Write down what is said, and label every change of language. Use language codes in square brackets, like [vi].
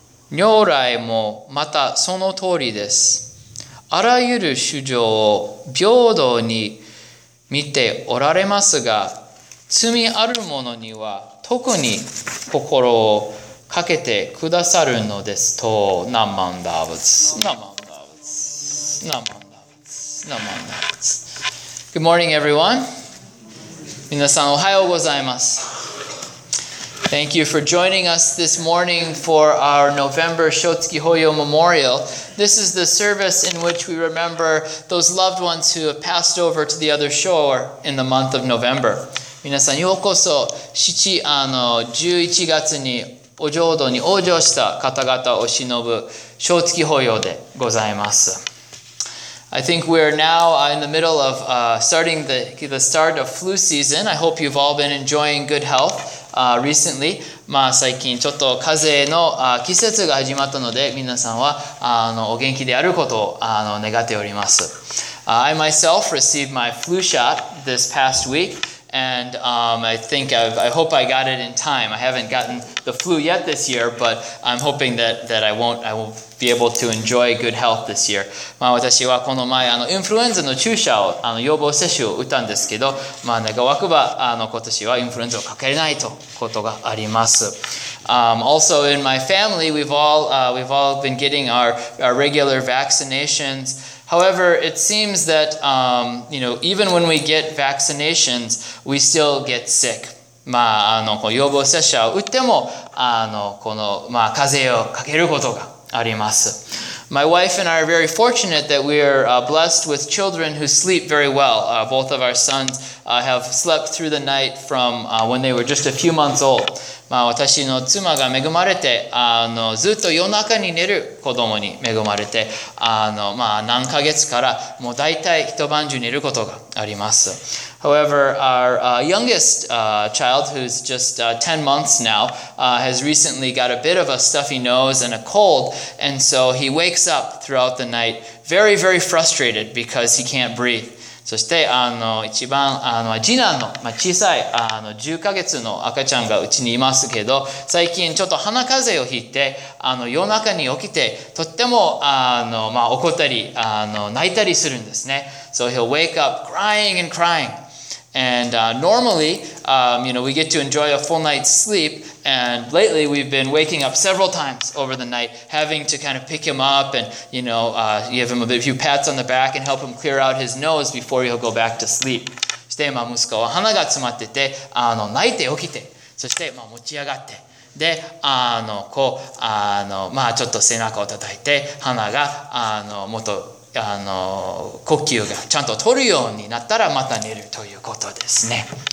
[ja] 如来もまたその通りですあらゆる衆生を平等に見ておられますが、罪ある者には特に心をかけてくださるのですと、南蛮大仏。 [en] Good morning, everyone. [ja] 皆さんおはようございます。 [en] Thank you for joining us this morning for our November Shotsuki Hoyo Memorial. This is the service in which we remember those loved ones who have passed over to the other shore in the month of November. [ja] 皆さん、ようこそ、11月にお浄土に往生した方々をしのぶ Shotsuki Hoyo でございます。 [en] I think we're now in the middle of starting the start of flu season. I hope you've all been enjoying good health. Recently, [ja] まあ最近ちょっと風邪の季節が始まったので、皆さんはお元気であることを願っております。 [en] I myself received my flu shot this past week, and I hope I got it in time. I haven't gotten the flu yet this year, but I'm hoping that I will be able to enjoy good health this year. [ja] まあ私はこの前インフルエンザの注射を予防接種を打ったんですけど、まあ願わくば今年はインフルエンザをかけれないということがあります。 [en] Also in my family, we've all been getting our regular vaccinations. However, it seems that even when we get vaccinations, we still get sick. [ja] まあ予防接種を打ってもまあ風邪をかけることがあります。 [en] My wife and I are very fortunate that we are blessed with children who sleep very well. Both of our sons have slept through the night from when they were just a few months old. [ja] まあ私の妻が恵まれてずっと夜中に寝る子供に恵まれてまあ何ヶ月からもうだいたい一晩中寝ることがあります。 [en] However, our youngest child, who's just 10 months now, has recently got a bit of a stuffy nose and a cold, and so he wakes up throughout the night very, very frustrated because he can't breathe. [ja] そして一番次男の、まあ、小さい10ヶ月の赤ちゃんがうちにいますけど、最近ちょっと鼻風邪をひいて夜中に起きてとってもまあ、怒ったり泣いたりするんですね。 [en] So he'll wake up crying and crying. And normally, you know, we get to enjoy a full night's sleep. And lately, we've been waking up several times over the night, having to kind of pick him up and, you know, give him a few pats on the back and help him clear out his nose before he'll go back to sleep. [ja] して、まあ息子は鼻がつまってて、あの泣いて起きて、そして、まあ持ち上がって、で、あの、こう、あの、まあちょっと背中を叩いて、鼻が、あの、もっと、あの、呼吸がちゃんと取るようになったら、また寝るということですね。